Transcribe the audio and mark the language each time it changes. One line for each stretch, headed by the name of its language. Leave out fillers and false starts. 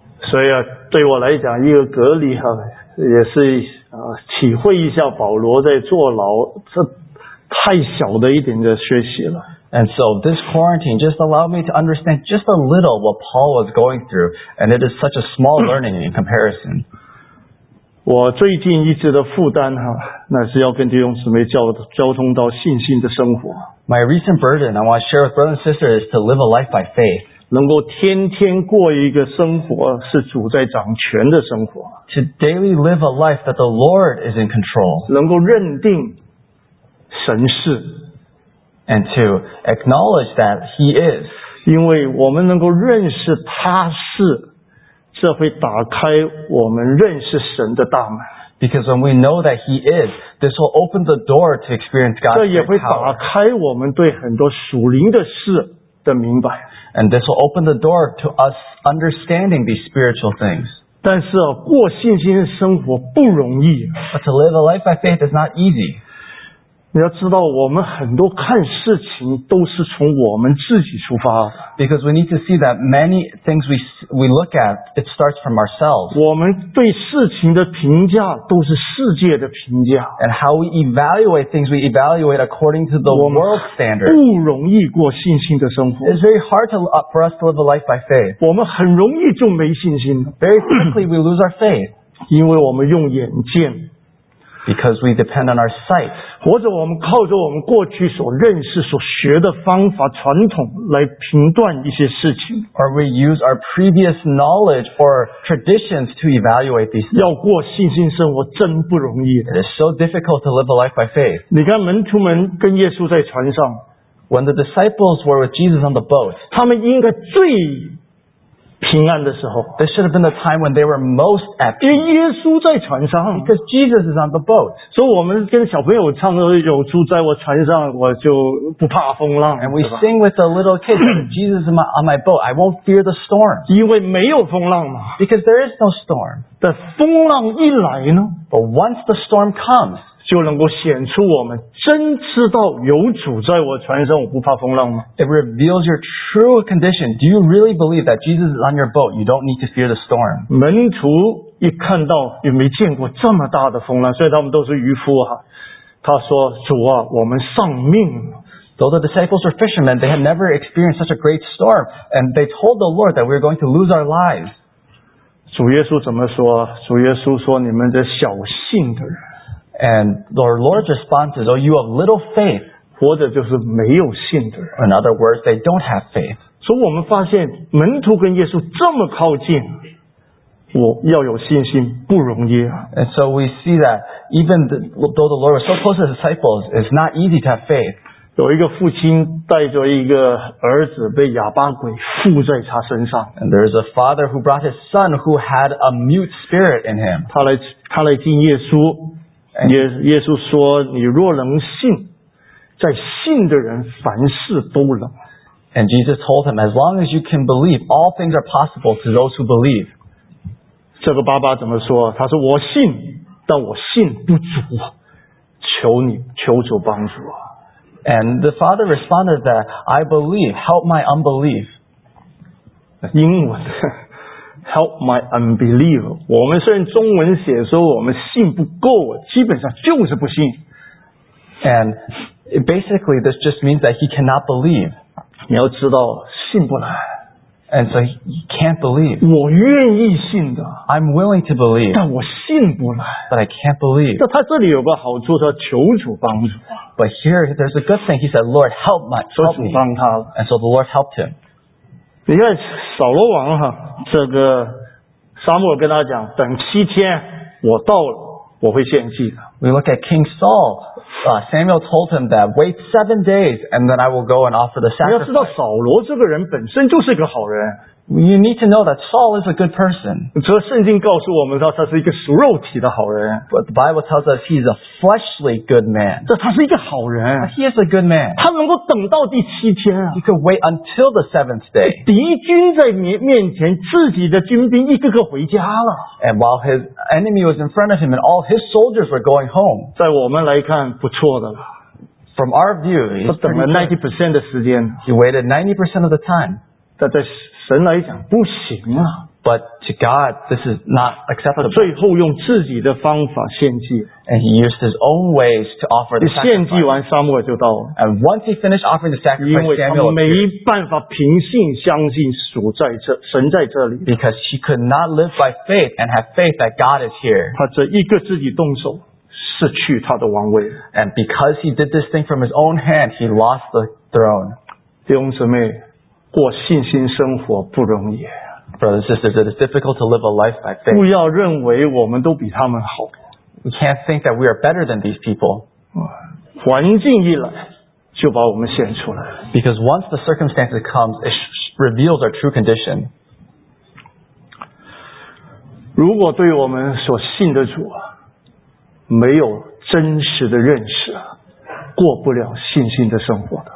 Chinese: 所以啊，对我来讲，一个隔离哈、啊。也是体会一下保罗在坐牢这太小的一点的学习了。
English: And so this quarantine just allowed me to understand just a little what Paul was going through, and it is such a small learning in comparison.
Chinese: 我最近一直的负担哈，那是要跟弟兄姊妹交通到信心的生活。
English: My recent burden I want to share with brothers and sisters is to live a life by faith.
Chinese: 能够天天过一个生活是主在掌权的生活。
English: To daily live a life that the Lord is in control.
Chinese: 能够认定神是。
English: And to acknowledge that He is.
Chinese: 因为我们能够认识他是，这会打开我们认识神的大门。
English: Because when we know that He is, this will open the door to experience God's power.
Chinese: 这也会打开我们对很多属灵的事的明白。
English: And this will open the door to us understanding these spiritual things.
Chinese: 但是啊，过信心的生活不容易。
English: But to live a life by faith is not easy.
Chinese: 你要知道，我们很多看事情都是从我们自己出发。
English: Because we need to see that many things we look at, it starts from ourselves.
Chinese: 我们对事情的评价都是世界的评价。
English: And how we evaluate things, we evaluate according to the world standard.
Chinese: 不容易过信心的生活。
English: It's very hard for us to live a life by faith.
Chinese: 我们很容易就没信心。
English: Very quickly we lose our faith.
Chinese: 因为我们用眼见。
English: Because we depend on our sight.
Chinese: 或者我们靠着我们过去所认识所学的方法传统来评断一些事情。
English: Or we use our previous knowledge or traditions to evaluate these things.
Chinese: 要过信心生活真不容易。
English: It is so difficult to live a life by faith.
Chinese: 你看门徒们跟耶稣在船上。
English: When the disciples were with Jesus on the boat.
Chinese: 他们应该最平安的时候
English: This should have been the time when they were most at peace.
Chinese: 因为耶稣在船上
English: Because Jesus is on the boat.
Chinese: 所以我们跟小朋友唱的有主在我船上我就不怕风浪
English: And we sing with the little kids, Jesus is on my boat, I won't fear the storm.
Chinese: 因为没有风浪嘛
English: Because there is no storm.
Chinese: 但风浪一来呢
English: But once the storm comes,
Chinese: 就能够显出我们真知道有主在我船上，我不怕风浪吗
English: ？It reveals your true condition. Do you really believe that Jesus is on your boat? You don't need to fear the storm.
Chinese: 门徒一看到也没见过这么大的风浪，所以他们都是渔夫啊。他说：“主啊，我们丧命。”
English: Though the disciples were fishermen, they had never experienced such a great storm, and they told the Lord that we were going to lose our lives.
Chinese: 主耶稣怎么说？主耶稣说：“你们这小信的人。”
English: And our Lord's response is, Oh, you have little faith.
Chinese: 活着就是没有信的人。
English: In other words, they don't have faith.
Chinese: 所以我们发现门徒跟耶稣这么靠近，我要有信心不容易啊。
English: And so we see that even though the Lord was so close to the disciples, it's not easy to have faith.
Chinese: 有一个父亲带着一个儿子被哑巴鬼附在他身上。
English: And there is a father who brought his son who had a mute spirit in him.
Chinese: 他来见耶稣。耶稣说你若能信在信的人凡事都能。
English: And Jesus told him, as long as you can believe, all things are possible to those who believe.
Chinese: 这个爸爸怎么说，他说我信但我信不足，求主帮助。
English: And the father responded that, I believe, help my unbelief. 英文Help my unbelief.
Chinese: 我们虽然中文写说我们信不够，基本上就是不信。
English: And basically, this just means that he cannot believe.
Chinese: 你要知道，信不来。
English: And so he can't believe.
Chinese: 我愿意信的。
English: I'm willing to believe.
Chinese: 但我信不来。
English: But I can't believe.
Chinese: 但他这里有个好处，他求主帮助。
English: But here, there's a good thing. He said, Lord, help me.
Chinese: 求主帮他。
English: And so the Lord helped him.
Chinese: 你看扫罗王哈，这个撒母耳跟他讲，等七天，我到了，我会献祭的。
English: We look at King Saul. Samuel told him that wait 7 days and then I will go and offer the sacrifice.
Chinese: 你要知道扫罗这个人本身就是一个好人。
English: You need to know that Saul is a good person.
Chinese: 这圣经告诉我们说他是一个属肉体的好人。
English: But the Bible tells us he's a fleshly good man.
Chinese: 这他是一个好人。
English: He is a good man.
Chinese: 他能够等到第七天啊。
English: He could wait until the seventh day.
Chinese: 敌军在面前，自己的军兵一个个回家了。
English: And while his enemy was in front of him and all his soldiers were going home.
Chinese: 在我们来看不错的了。
English: From our view, he's pretty good.
Chinese: 他等了 90% 的时间。
English: He waited 90% of the time.
Chinese: 但在神来讲不行啊。
English: But to God, this is not acceptable.
Chinese: 最后用自己的方法献祭。
English: And he used his own ways to offer the sacrifice.
Chinese: 献祭完撒母耳就到了。
English: And once he finished offering the sacrifice, Samuel appeared.
Chinese: 因为他没办法凭信相信主在这，神在这里。
English: Because he could not live by faith and have faith that God is here.
Chinese: 他这一个自己动手失去他的王位。
English: And because he did this thing from his own hand, he lost the throne.
Chinese: 弟兄姊妹过信心生活不容易。
English: Brothers and sisters, it is difficult to live a life by faith.
Chinese: 不要认为我们都比他们好。
English: We can't think that we are better than these people.
Chinese: 环境一来就把我们显出来。
English: Because once the circumstances come, it reveals our true condition.
Chinese: 如果对我们所信的主没有真实的认识，过不了信心的生活的。